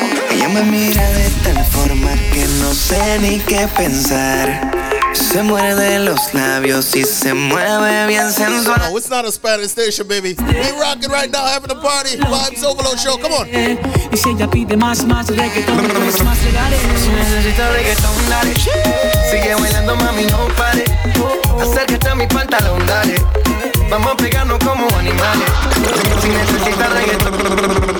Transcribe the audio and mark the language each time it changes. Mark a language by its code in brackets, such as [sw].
[es] Ella me mira de tal forma que no sé ni qué pensar. Se muerde los labios y se mueve bien sensual. [en] Oh, it's not a Spanish station, baby. We rocking right now, having a party. Vibes Overload Show, come on. [es] Y si ella pide más, más reggaetón, más legales. Si necesita reggaetón, dale. Sigue bailando, mami, no pare. Acércate a mi pantalón, dale. Vamos a pegarnos como animales. Si necesita reggaetón.